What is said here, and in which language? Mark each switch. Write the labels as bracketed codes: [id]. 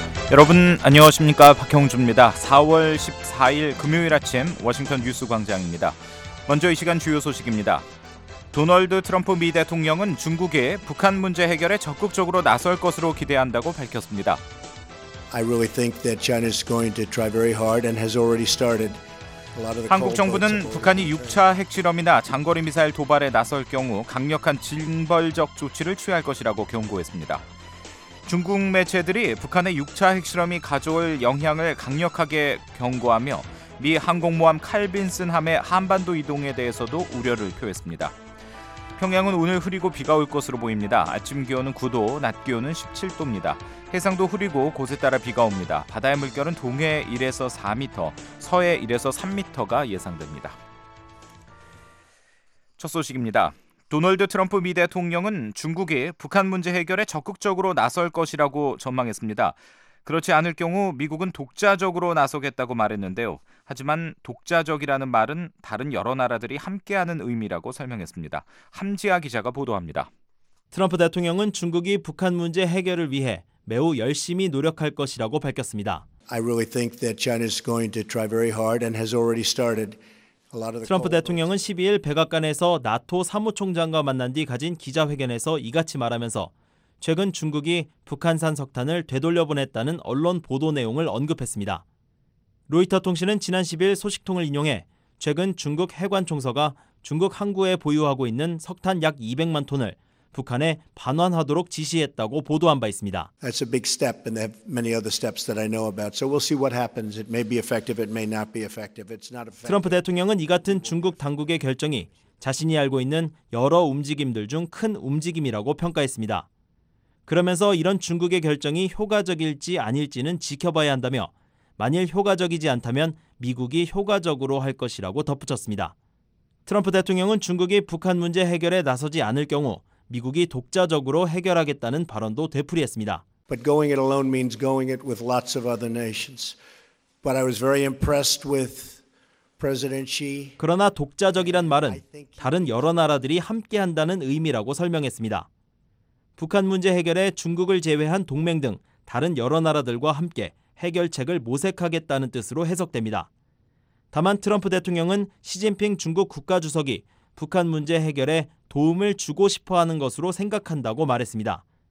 [ko] 여러분 안녕하십니까? 박형준입니다. 4월 14일 금요일 아침 워싱턴 뉴스 광장입니다. 먼저 이 시간 주요 소식입니다. 도널드 트럼프 미 대통령은 중국이 북한 문제 해결에 적극적으로 나설 것으로 기대한다고 밝혔습니다. [en] I really think that China is going to try very hard and has already started. [ko] 한국 정부는 북한이 6차 핵실험이나 장거리 미사일 도발에 나설 경우 강력한 징벌적 조치를 취할 것이라고 경고했습니다. 중국 매체들이 북한의 6차 핵실험이 가져올 영향을 강력하게 경고하며 미 항공모함 칼빈슨함의 한반도 이동에 대해서도 우려를 표했습니다. 평양은 오늘 흐리고 비가 올 것으로 보입니다. 아침 기온은 9도, 낮 기온은 17도입니다. 해상도 흐리고 곳에 따라 비가 옵니다. 바다의 물결은 동해 1에서 4m, 서해 1에서 3m가 예상됩니다. 첫 소식입니다. 도널드 트럼프 미 대통령은 중국이 북한 문제 해결에 적극적으로 나설 것이라고 전망했습니다. 그렇지 않을 경우 미국은 독자적으로 나서겠다고 말했는데요. 하지만 독자적이라는 말은 다른 여러 나라들이 함께하는 의미라고 설명했습니다. 함지아 기자가 보도합니다. 트럼프 대통령은 중국이 북한 문제 해결을 위해 매우 열심히 노력할 것이라고 밝혔습니다. [en] I really think that China is going to try very hard and has already started. [ko] 트럼프 대통령은 12일 백악관에서 나토 사무총장과 만난 뒤 가진 기자회견에서 이같이 말하면서 최근 중국이 북한산 석탄을 되돌려보냈다는 언론 보도 내용을 언급했습니다. 로이터통신은 지난 10일 소식통을 인용해 최근 중국 해관총서가 중국 항구에 보유하고 있는 석탄 약 200만 톤을 북한에 반환하도록 지시했다고 보도한 바 있습니다. [en] That's a big step and they have many other steps that I know about. So we'll see what happens. It may be effective, it may not be effective. It's not effective. [ko] 트럼프 대통령은 이 같은 중국 당국의 결정이 자신이 알고 있는 여러 움직임들 중 큰 움직임이라고 평가했습니다. 그러면서 이런 중국의 결정이 효과적일지 아닐지는 지켜봐야 한다며 만일 효과적이지 않다면 미국이 효과적으로 할 것이라고 덧붙였습니다. 트럼프 대통령은 중국이 북한 문제 해결에 나서지 않을 경우 미국이 독자적으로 해결하겠다는 발언도 되풀이했습니다. [en] But going it alone means going it with lots of other nations. But I was very impressed with President Xi. [ko] 그러나 독자적이란 말은 다른 여러 나라들이 함께한다는 의미라고 설명했습니다. 북한 문제 해결에 중국을 제외한 동맹 등 다른 여러 나라들과 함께 해결책을 모색하겠다는 뜻으로 해석됩니다. 다만 트럼프 대통령은 시진핑 중국 국가주석이 북한 문제 해결에 도움을 주고 싶어하는 것으로 생각한다고 말했습니다.